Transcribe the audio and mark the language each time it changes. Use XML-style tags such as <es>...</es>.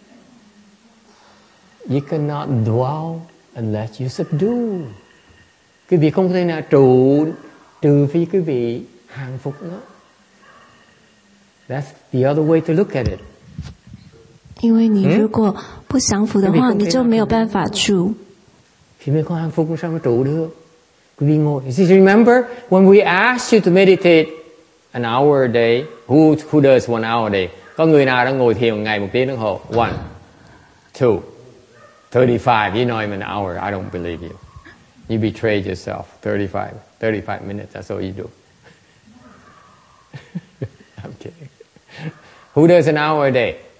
<en>I get it. You cannot dwell unless you subdue.</en> <vi>Quý vị không thể nào trụ trừ phi quý vị hàng phục nó.</vi> <en>That's the other way to look at it.</en> <zh>因为你如果不降服的话，你就没有办法住。</zh> <vi>Thì mình không hàng phục sao mà trụ được? Quý vị ngồi.</vi> <en>You see, remember when we asked you to meditate an hour a day? Who does 1 hour a day?</en> <vi>Có người nào đã ngồi thiền ngày 1 tiếng đồng hồ?</vi> <en>1, 2, 35. You know him an hour. I don't believe you. You betrayed yourself. 35 minutes, that's all you do. I'm kidding. Who does an hour a day?</en>